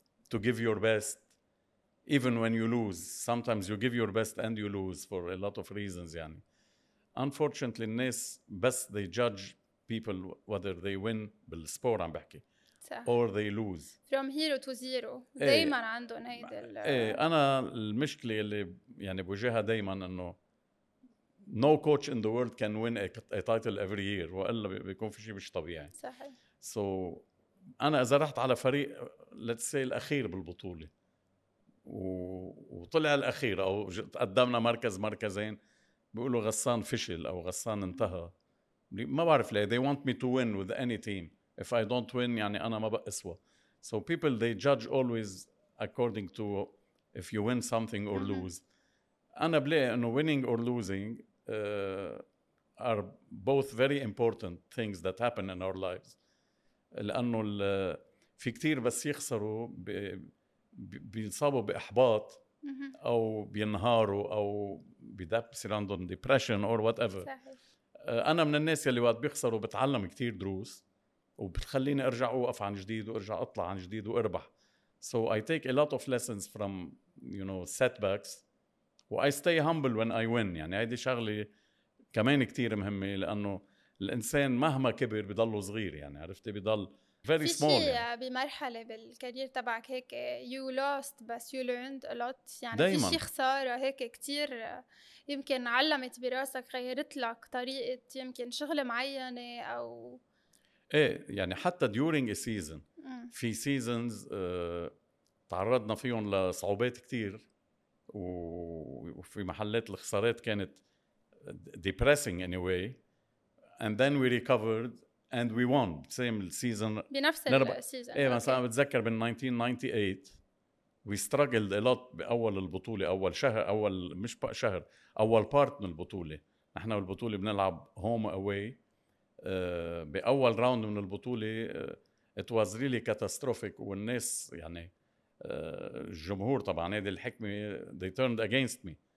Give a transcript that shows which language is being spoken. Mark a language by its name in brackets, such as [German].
[English] To give your best even when you lose. Sometimes you give your best and you lose for a lot of reasons يعني. Unfortunately [Arabic] الناس بس [English] they judge people whether they win [Arabic] بالسبور عم بحكي [English] or they lose from hero to zero. [Arabic] دائما عندهم هيدا. انا المشكله اللي يعني بواجهها دائما انه [English] no coach in the world can win a title every year، [Arabic] والا بيكون في شيء مش طبيعي. صحيح. So انا اذا رحت على فريق [English] let's say [Arabic] الاخير بالبطوله وطلع الاخير او قدمنا مركز مركزين بيقولوا غسان فشل او غسان انتهى، ما بعرف ليه [English] they want me to win with any team. If I don't win, [Arabic] يعني أنا ما بأسوى. [English] So people, they judge always according to if you win something or lose. [Arabic] أنا بلاقي أنه [English] winning or losing are both very important things that happen in our lives. [Arabic] لأنه في كتير بس يخسروا بينصابوا بإحباط أو بينهاروا أو بيصير عندهم [English] depression or whatever. [Arabic] أنا من الناس اللي وقت بيخسروا بتعلم كتير دروس وبتخليني أرجع أوقف عن جديد وأرجع أطلع عن جديد وأربح. [English] So I take a lot of lessons from you know setbacks and I stay humble when I win. [Arabic] يعني هذه شغلة كمان كتير مهمة لأنه الإنسان مهما كبر بيضل صغير يعني، عرفتي بيضل [English] very [Arabic] في [English] small. [Arabic] في شيء يعني. بمرحلة بالكارير تبعك هيك [English] you lost but you learned a lot [Arabic] يعني دايماً. في شيء خسارة هيك كتير يمكن علمت براسك غيرت لك طريقة يمكن شغلة معينة أو إيه يعني حتى [English] during a season [Arabic] في seasons تعرضنا فيهم لصعوبات كتير وفي محلات الخسارات كانت [English] depressing anyway and then we recovered and we won same season [Arabic] بنفس السيزن ايه مثلا okay. بتذكر بال 1998 [English] we struggled a lot [Arabic] بأول البطولة أول شهر أول مش بقى شهر أول part من البطولة احنا والبطولة بنلعب [English] home away [Arabic] بأول round من البطولة [English] it was really catastrophic [Arabic] والناس يعني الجمهور طبعا نادي الحكمة [English] they turned against me